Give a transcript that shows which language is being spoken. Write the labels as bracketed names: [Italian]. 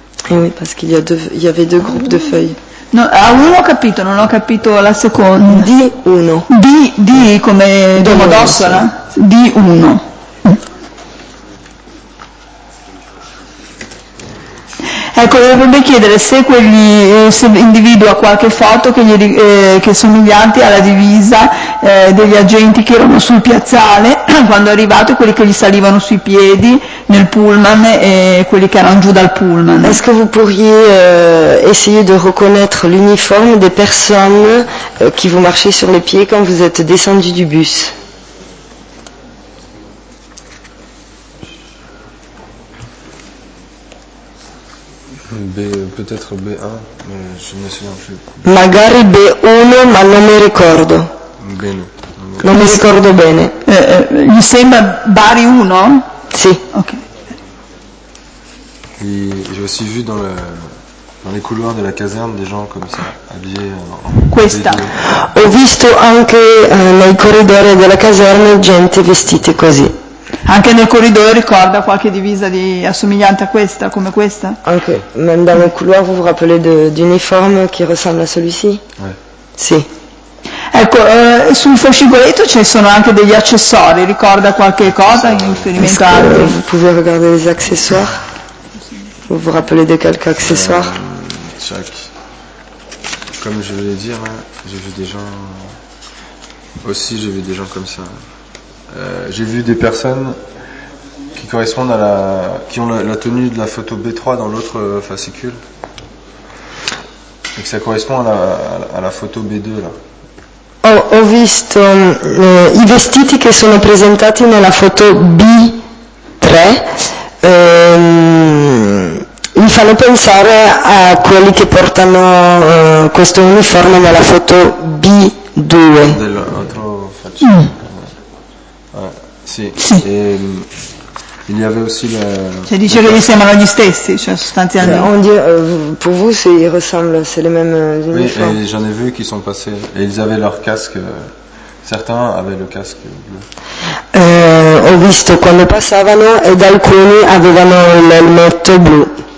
[French] Eh oui, parce qu'il y avait deux groupes de feuilles. [Italian] No, A1 ho capito, non ho capito la seconda. D1. D come domodossola? D1. Ecco, vorrebbe chiedere se quegli se individua qualche foto che gli che somiglianti alla divisa degli agenti che erano sul piazzale quando è arrivato, quelli che gli salivano sui piedi nel pullman e quelli che erano giù dal pullman. [French] Est-ce que vous pourriez essayer de reconnaître l'uniforme des personnes qui vous marchaient sur les pieds quand vous êtes descendu du bus? Peut-être B1, mais je ne me souviens plus. [Italian] Magari B1, ma non mi ricordo. Bene. Non mi ricordo bene. Mi sembra Bari 1? Sì. Ok. [French] J'ai aussi vu dans les couloirs de la caserne des gens comme ça, habillés en... [Italian] Questa. Ho visto anche nei corridoi della caserne gente vestita così. Anche nel corridoio ricorda qualche divisa di assomigliante a questa, come questa? [French] Anche, même dans le couloir vous vous rappelez d'uniforme qui ressemble a celui-ci? Ouais. [Italian] Sì. Ecco, sul fascicoletto ci sono anche degli accessori, ricorda qualche cosa in riferimento a altri? [French] Vous pouvez regarder les accessoires? Vous vous rappelez de quelques accessoires? Jacques, comme je voulais dire, j'ai vu des gens, aussi j'ai vu des gens comme ça. J'ai vu des personnes qui correspondent à la qui ont la tenue de la photo B3 dans l'autre fascicule et que ça correspond à la photo B2 là. [Italian] Ho visto i vestiti che sono presentati nella foto B3 mi fanno pensare a quelli che portano questo uniforme nella foto B2 dell'altro fascicolo. Sì. [French] E, il y avait aussi la, [Italian] cioè dice che gli sembrano gli stessi, cioè sostanzialmente. [French] On dit, pour vous, c'est, ils ressemblent, c'est les mêmes uniformes. Oui, et j'en ai vu qui sont passés, et ils avaient leur casque, certains avaient le casque bleu. [Italian] Ho visto quando passavano ed alcuni avevano l'elmetto blu.